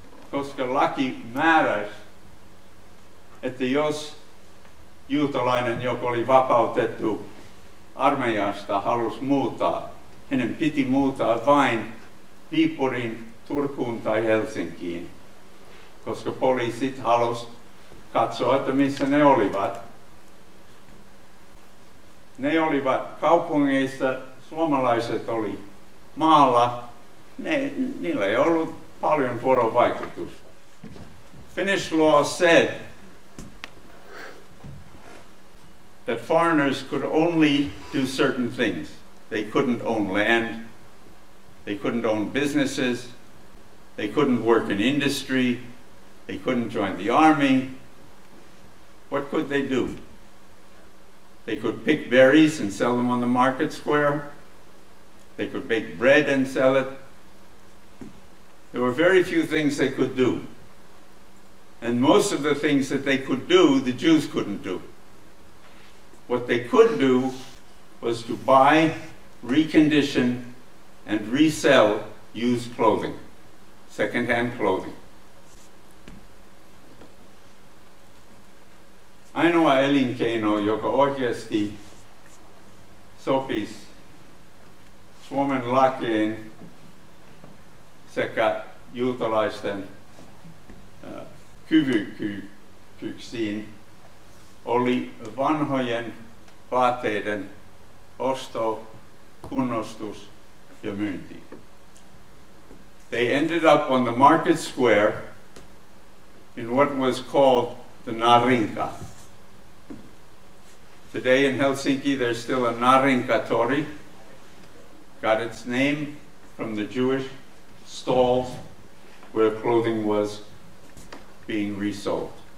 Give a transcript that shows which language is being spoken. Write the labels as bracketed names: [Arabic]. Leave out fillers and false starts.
[Finnish] Koska laki määräs, että jos juutalainen, joka oli vapautettu armeijasta, halusi muuttaa, hänen piti muuttaa vain Viipuriin, Turkuun tai Helsinkiin, koska poliisit halusi katsoa, että missä ne olivat. Ne olivat kaupungeissa, suomalaiset oli maalla, niillä ei ollut paljon vuorovaikutusta. [English] Finnish law said that foreigners could only do certain things. They couldn't own land, they couldn't own businesses, they couldn't work in industry, they couldn't join the army. What could they do? They could pick berries and sell them on the market square. They could bake bread and sell it. There were very few things they could do. And most of the things that they could do, the Jews couldn't do. What they could do was to buy, recondition, and resell used clothing, second-hand clothing. [Finnish] Ainoa elinkeino, joka oikeasti sopisi Suomen lakiin sekä juutalaisten kyvykkyyksiin, oli vanhojen vaatteiden osto, kunnostus ja myynti. [English] They ended up on the market square in what was called the Narinka. Today in Helsinki there's still a Narinka-tori, got its name from the Jewish stalls where clothing was being resold.